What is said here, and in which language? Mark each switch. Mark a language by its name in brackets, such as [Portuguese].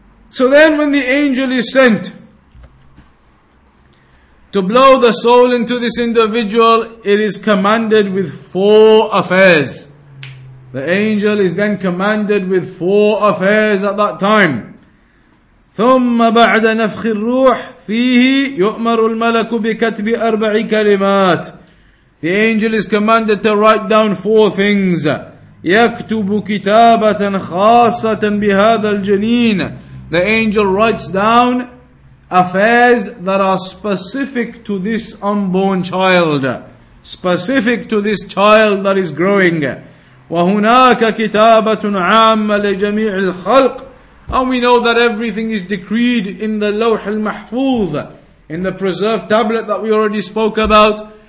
[English] So then when the angel is sent to blow the soul into this individual, it is commanded with four affairs. The angel is then commanded with four affairs at that time. [Arabic] ثُمَّ بَعْدَ نَفْخِ الرُّوحِ فِيهِ يُؤْمَرُ الْمَلَكُ بِكَتْبِ أَرْبَعِ كَلِمَاتِ, [English] the angel is commanded to write down four things. [Arabic] يَكْتُبُ كِتَابَةً خَاصَةً بِهَذَا الْجَنِينَ, [English] the angel writes down affairs that are specific to this unborn child, specific to this child that is growing. [Arabic] وَهُنَاكَ كِتَابَةٌ عَامَّ لِجَمِيعِ الْخَلْقِ, [English] and we know that everything is decreed in the Lawh al-Mahfuz, in the preserved tablet that we already spoke about.